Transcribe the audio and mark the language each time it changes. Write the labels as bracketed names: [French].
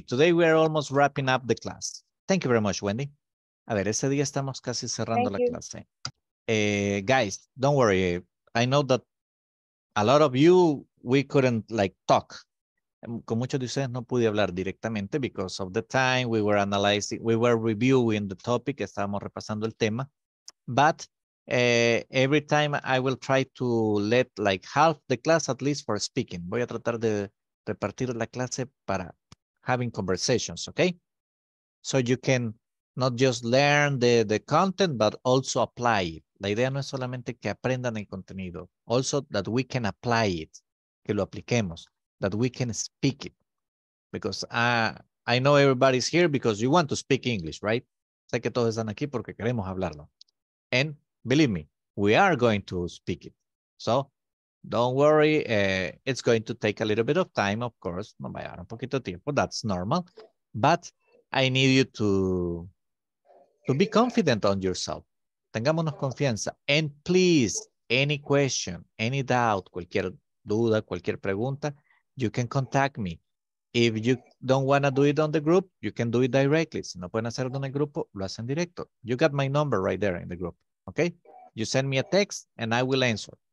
[English] Today we are almost wrapping up the class. Thank you very much, Wendy. [Spanish] A ver, ese día estamos casi cerrando la clase. [English] Guys, don't worry. I know that a lot of you, we couldn't like talk. [Spanish] Con muchos de ustedes no pude hablar directamente [English] because of the time we were analyzing, we were reviewing the topic, [Spanish] estábamos repasando el tema. [English] But every time I will try to let like half the class at least for speaking. [Spanish] Voy a tratar de repartir la clase para [English] having conversations, okay? So you can not just learn the content, but also apply it. [Spanish] La idea no es solamente que aprendan el contenido, [English] also that we can apply it, [Spanish] que lo apliquemos, [English] that we can speak it. Because I know everybody's here because you want to speak English, right? [Spanish] Sé que todos están aquí porque queremos hablarlo. [English] And believe me, we are going to speak it. So don't worry, it's going to take a little bit of time, of course. [Spanish] No, vaya, un poquito de tiempo, [English] that's normal. But I need you to be confident on yourself. [Spanish] Tengámonos confianza. [English] And please, any question, any doubt, [Spanish] cualquier duda, cualquier pregunta, [English] you can contact me. If you don't want to do it on the group, you can do it directly. [Spanish] Si no pueden hacerlo en el grupo, lo hacen directo. [English] You got my number right there in the group, okay? You send me a text and I will answer.